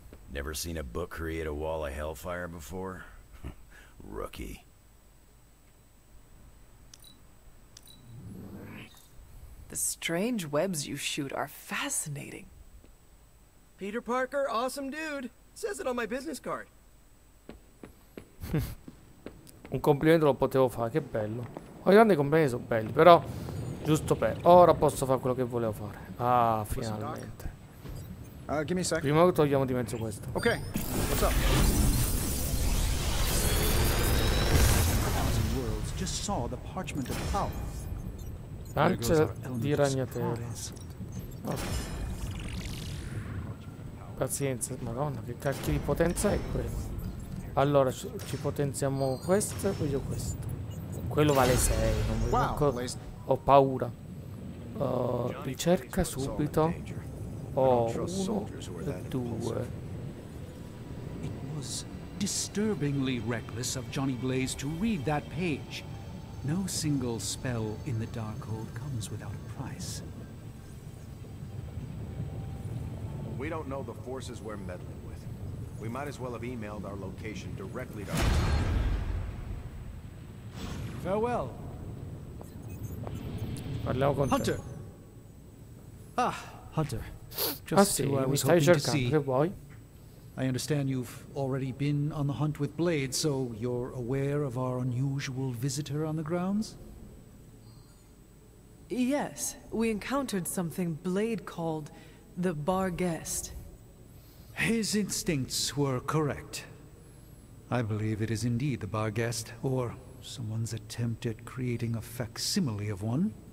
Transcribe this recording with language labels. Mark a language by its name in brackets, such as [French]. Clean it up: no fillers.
[English] Never seen a book create a wall of hellfire before? Rookie. The strange webs you shoot are fascinating. Peter Parker, awesome dude. Says it on my business card. [Italian] Un complimento lo potevo fare, che bello. Ho i grandi complimenti, sono belli, però giusto per ora posso fare quello che volevo fare. Ah, finalmente. [English] Give me a sec. [Italian] Prima togliamo di mezzo questo. [English] Ok, what's up? Thousand worlds just saw the parchment of power. [Italian] Lancia di ragnatele. Okay. Pazienza, madonna, che cacchio di potenza è quello. Allora, ci potenziamo questo e voglio questo. Quello vale 6, non voglio manco... Ho paura. Ricerca subito. Oh, 2. [English] Disturbingly reckless of Johnny Blaze to read that page. No single spell in the Darkhold comes without a price. We don't know the forces we're meddling with. We might as well have emailed our location directly to... Farewell. [Italian] Parliamo con Hunter. Te. Ah, Hunter. Just ah, sì, mi stai cercando, vuoi? [English] I understand you've already been on the hunt with Blade, so you're aware of our unusual visitor on the grounds? Yes, we encountered something Blade called the Bar Guest. His instincts were correct. I believe it is indeed the Bar Guest, or someone's attempt at creating a facsimile of one.